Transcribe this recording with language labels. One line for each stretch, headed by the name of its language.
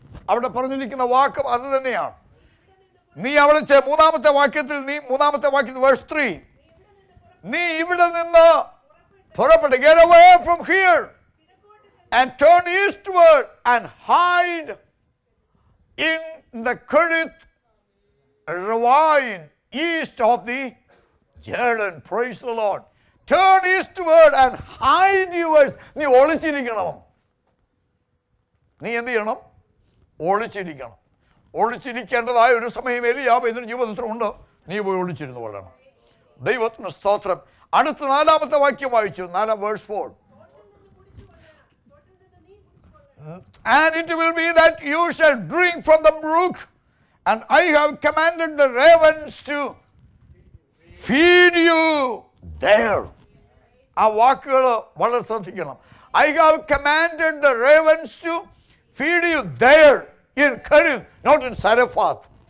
Malayalam: അവിടെ പറഞ്ഞിരിക്കുന്ന വാക്കും അത് തന്നെയാണ്. നീ അവിടെ മൂന്നാമത്തെ വാക്യത്തിൽ,
English: നീ മൂന്നാമത്തെ വാക്യത്തിൽ വേഴ്സ് 3,
Malayalam: നീ ഇവിടെ നിന്ന് പുറപ്പെട്ട്,
English: Get away from here and turn eastward and hide in the Kerith Ravine east of the Jordan. Praise the Lord. Turn eastward and hide yourselves.
Malayalam: നീ ഒളിച്ചിരിക്കണം. നീ എന്ത് ചെയ്യണം? ഒളിച്ചിരിക്കണം. ഒളിച്ചിരിക്കേണ്ടതായ ഒരു സമയം എലിയാവ് എന്നൊരു ജീവിതത്തിൽ ഉണ്ട്. നീ പോയി ഒളിച്ചിരുന്നു കൊള്ളണം. ദൈവത്തിന് സ്തോത്രം. അടുത്ത നാലാമത്തെ വാക്യം വായിച്ചു, നാലാം verse 4.
English: And it will be that you shall drink from the brook. And I have commanded the ravens to feed you there.
Malayalam: ആ വാക്കുകൾ വളരെ ശ്രദ്ധിക്കണം.
English: I have commanded the ravens to feed you there in Kerith, not in Sarephath.